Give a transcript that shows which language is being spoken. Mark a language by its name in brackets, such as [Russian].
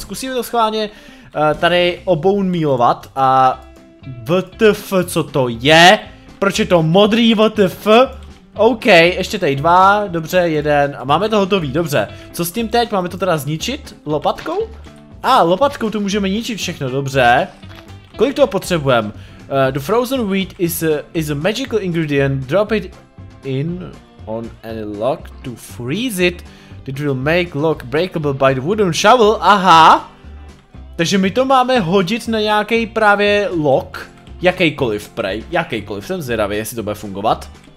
[Czech] Zkusíme to schválně tady obone mealovat a WTF, co to je? proč je to modrý, WTF? OK, ještě tady dva, dobře, jeden, a máme to hotový, dobře. Co s tím teď, máme to teda zničit lopatkou? A, lopatkou tu můžeme ničit všechno, dobře. Kolik toho potřebujeme? [English] The frozen wheat is a magical ingredient, drop it in on any lock to freeze it. It will make lock breakable by the wooden shovel, aha. [Czech] Takže my to máme hodit na nějaký právě lock, jakýkoliv prej, jakýkoliv, jsem zvědavý, jestli to bude fungovat.